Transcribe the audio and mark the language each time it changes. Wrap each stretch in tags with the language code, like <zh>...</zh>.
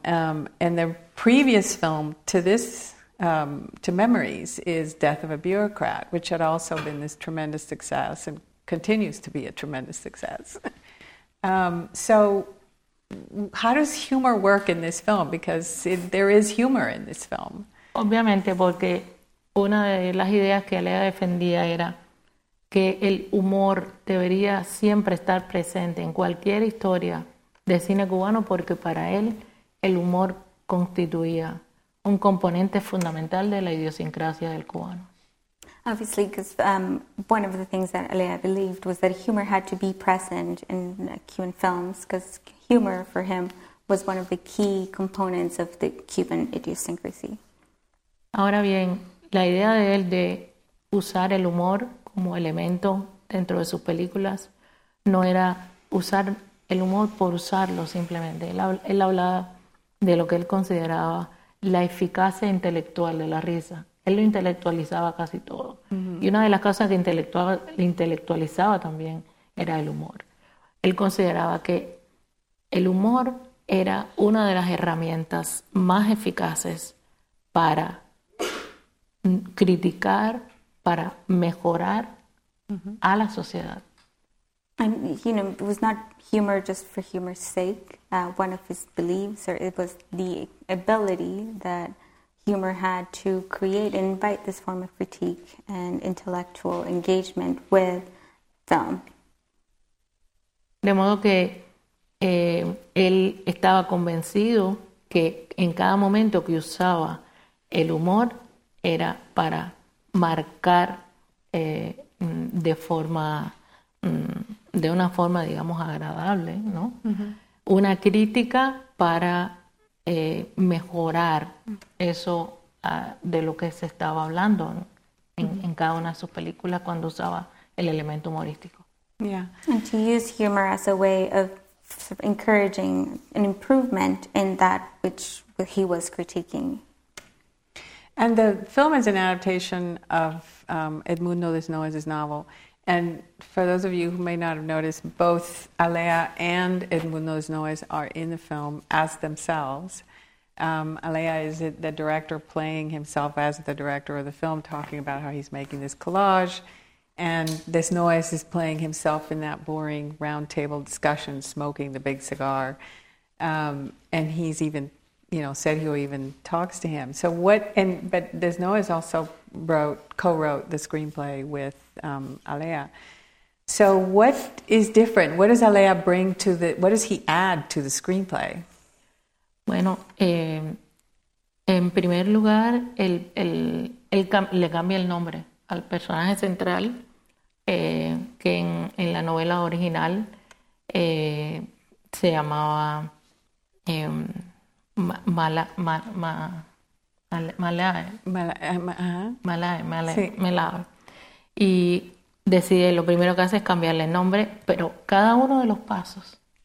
<en>And the previous film to this, to Memories, is Death of a Bureaucrat, which had also been this tremendous success and continues to be a tremendous success. So how does humor work in this film? Because there is humor in this film.</en> <es>Obviamente, porque una de las ideas que Alea defendía era que el humor debería siempre estar presente en cualquier historia de cine cubano, porque para él el humor constituía un componente fundamental de la idiosincrasia del cubano.</es> <en>Obviously, because one of the things that Alea believed was that humor had to be present in Cuban films, because humor for him was one of the key components of the Cuban idiosyncrasy.</en> <es>Ahora bien, la idea de él de usar el humor como elemento dentro de sus películas no era usar el humor por usarlo simplemente. Él hablaba de lo que él consideraba la eficacia intelectual de la risa. Él lo intelectualizaba casi todo. Mm-hmm. Y una de las cosas que intelectualizaba también era el humor. Él consideraba que el humor era una de las herramientas más eficaces para criticar, para mejorar a la sociedad.</es> <en>And, you know, it was not humor just for humor's sake, one of his beliefs, or it was the ability that humor had to create and invite this form of critique and intellectual engagement with film.</en> <es>De modo que él estaba convencido que en cada momento que usaba el humor era para marcar de forma, de una forma, digamos, agradable, ¿no? Uh-huh. Una crítica para mejorar eso de lo que se estaba hablando, ¿no? En cada una de sus películas cuando usaba el elemento humorístico.</es> <en>Yeah. And to use humor as a way of encouraging an improvement in that which he was critiquing. And the film is an adaptation of Edmundo Desnoyers' novel. And for those of you who may not have noticed, both Alea and Edmundo Desnoyers are in the film as themselves. Alea is the director playing himself as the director of the film, talking about how he's making this collage. And Desnoyers is playing himself in that boring round table discussion, smoking the big cigar. And he's even, you know, said he'll even talks to him. So what, and but Desnoyers also co-wrote the screenplay with Alea. So what is different? What does Alea bring to the, what does he add to the screenplay?</en> <es>Bueno, en primer lugar, le cambia el nombre al personaje central, que en la novela original se llamaba Malae. Y decide, lo primero que hace es cambiarle el nombre, pero cada uno de los pasos</es>